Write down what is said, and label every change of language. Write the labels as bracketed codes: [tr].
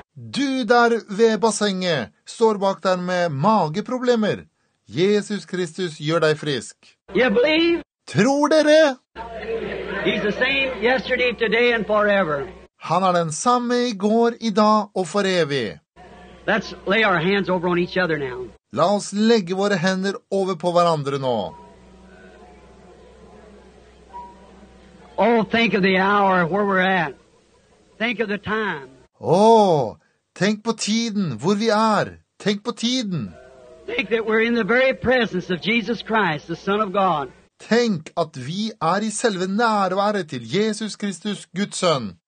[no] Du der ved bassenget, står bak der med mageproblemer. Jesus Kristus gjør deg frisk. [en] You believe? [no] Tror dere? [en] He's the same yesterday, today and forever. [no] Han er den samme i går, i dag og for evig. [en] Let's lay our hands over on each other now. [no] La oss legge våre hender over på hverandre nå. [en] Oh, think of the hour where we're at. Think of the time. [no] Oh, tenk på tiden hvor vi er. Tenk på tiden. [en] Think that we're in the very presence of Jesus Christ, the Son of God. [no] Tenk at vi er i selve nærværet til Jesus Kristus, Guds sønn.